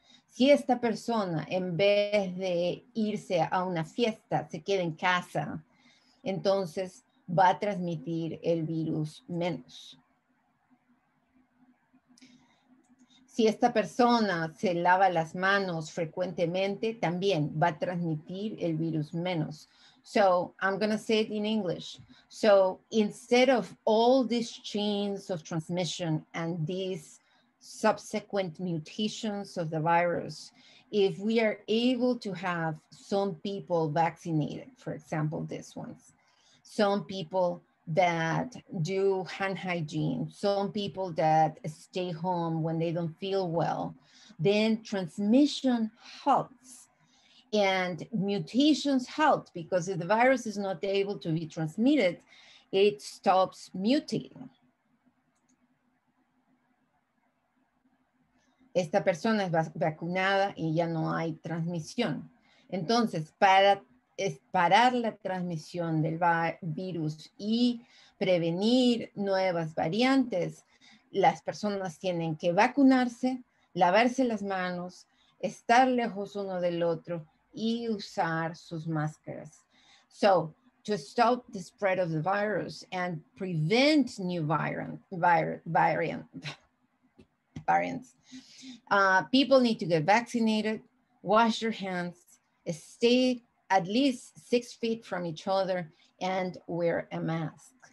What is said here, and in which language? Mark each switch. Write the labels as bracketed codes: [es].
[es] Si esta persona, en vez de irse a una fiesta, se queda en casa, entonces va a transmitir el virus menos. Si esta persona se lava las manos frecuentemente, también va a transmitir el virus menos. [en] So I'm going to say it in English. So instead of all these chains of transmission and these subsequent mutations of the virus, if we are able to have some people vaccinated, for example, this ones, some people that do hand hygiene, some people that stay home when they don't feel well, then transmission halts and mutations halt, because if the virus is not able to be transmitted, it stops mutating. [es] Esta persona es vacunada y ya no hay transmisión. Entonces, para es parar la transmisión del virus y prevenir nuevas variantes, las personas tienen que vacunarse, lavarse las manos, estar lejos uno del otro y usar sus máscaras. [en] So, to stop the spread of the virus and prevent new variants, people need to get vaccinated, wash your hands, stay at least 6 feet from each other and wear a mask.